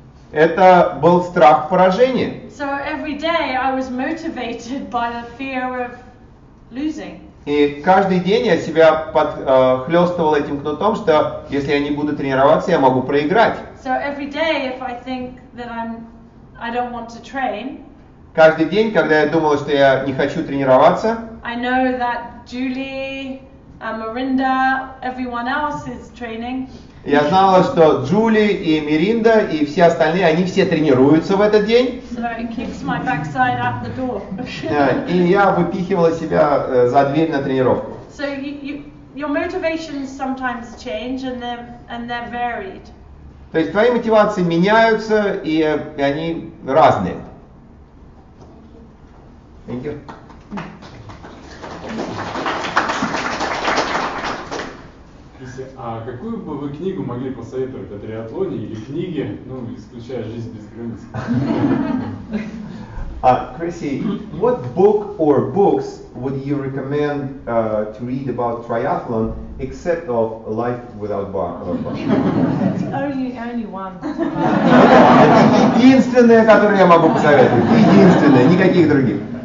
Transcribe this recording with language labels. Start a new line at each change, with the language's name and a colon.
Russian: Это был страх поражения.
English: So every day I was motivated by the fear of losing.
Russian: И каждый день я себя подхлёстывал этим кнутом, что если я не буду тренироваться, я могу проиграть.
English: So every day if I think that I don't want to train.
Russian: Каждый день, когда я думала, что я не хочу тренироваться.
English: I know that Julie, Marinda, everyone else is training.
Russian: Я знала, что Джули и Миринда и все остальные, они все тренируются в этот день.
English: So it keeps my at the door.
Russian: И я выпихивала себя за дверь на тренировку.
English: So you, your motivations sometimes change and they're varied.
Russian: То есть твои мотивации меняются и они разные.
English: Thank you.
Russian: А какую бы вы книгу могли посоветовать о триатлоне или книге, ну, исключая «Жизнь без границ»?
English: Chrissy, what book or books would you recommend to read about triathlon, except of «Life without bar»? Only one.
Russian: Единственное, которое я могу посоветовать. Единственное, никаких других.